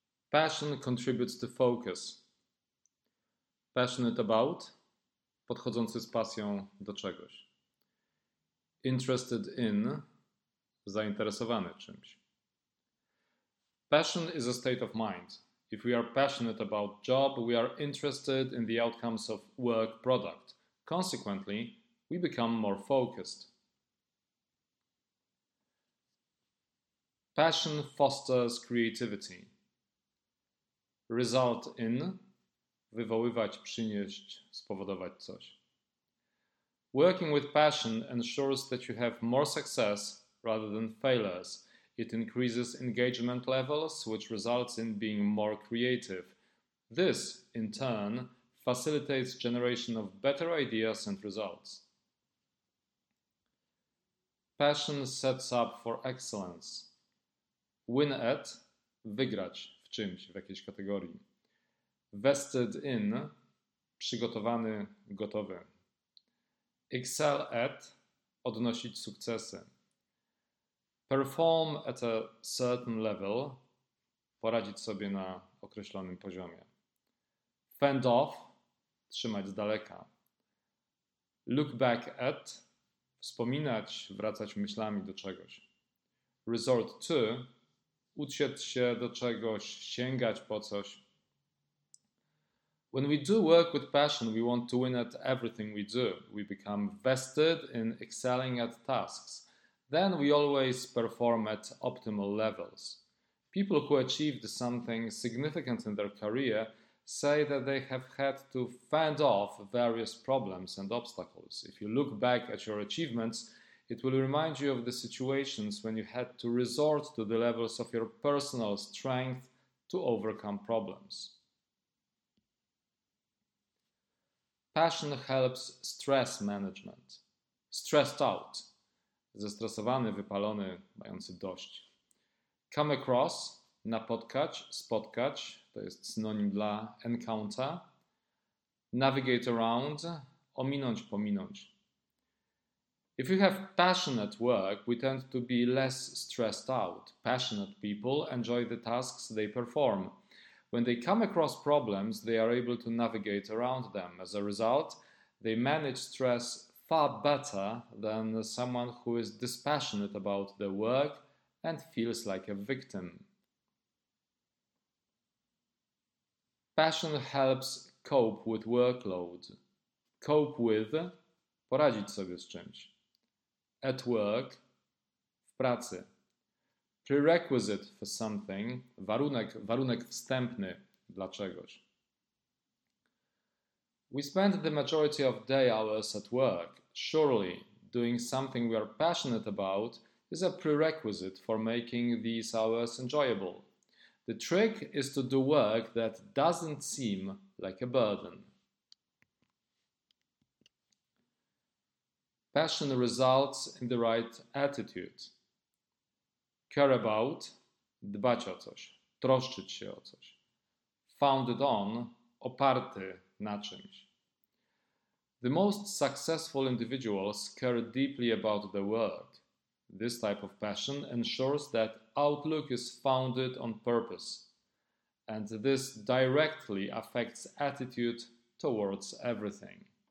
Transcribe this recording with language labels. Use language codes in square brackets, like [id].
[en] Passion contributes to focus. Passionate about, [pl] podchodzący z pasją do czegoś. [en] Interested in, [pl] zainteresowany czymś. [en] Passion is a state of mind. If we are passionate about job, we are interested in the outcomes of work product. Consequently, we become more focused. Passion fosters creativity. Result in, [pl] wywoływać, przynieść, spowodować coś. [en] Working with passion ensures that you have more success rather than failures. It increases engagement levels, which results in being more creative. This, in turn, facilitates generation of better ideas and results. Passion sets up for excellence. Win at, [pl] wygrać w czymś, w jakiejś kategorii. [en] Vested in, [pl] przygotowany, gotowy. [en] Excel at, [pl] odnosić sukcesy. [en] Perform at a certain level, [pl] poradzić sobie na określonym poziomie. [en] Fend off, [pl] trzymać z daleka. [en] Look back at, [pl] wspominać, wracać myślami do czegoś. [en] Resort to, [pl] uciec się do czegoś, sięgać po coś. [en] When we do work with passion, we want to win at everything we do. We become vested in excelling at tasks. Then we always perform at optimal levels. People who achieved something significant in their career say that they have had to fend off various problems and obstacles. If you look back at your achievements, it will remind you of the situations when you had to resort to the levels of your personal strength to overcome problems. Passion helps stress management. Stressed out. [pl] Zestresowany, wypalony, mający dość. [en] Come across, [pl] napotkać, spotkać, to jest synonim dla encounter. [en] Navigate around, [pl] ominąć, pominąć. [en] If you have passion at work, we tend to be less stressed out. Passionate people enjoy the tasks they perform. When they come across problems, they are able to navigate around them. As a result, they manage stress far better than someone who is dispassionate about their work and feels like a victim. Passion helps cope with workload. Cope with, [pl] poradzić sobie z czymś. [en] At work, [pl] w pracy. [en] Prerequisite for something, [pl] warunek wstępny dla czegoś. [en] We spend the majority of day hours at work. Surely, doing something we are passionate about is a prerequisite for making these hours enjoyable. The trick is to do work that doesn't seem like a burden. Passion results in the right attitude. Care about, [pl] dbać o coś, troszczyć się o coś. [en] Founded on, [pl] oparty na czymś. [en] The most successful individuals care deeply about the world. This type of passion ensures that outlook is founded on purpose. And this directly affects attitude towards everything.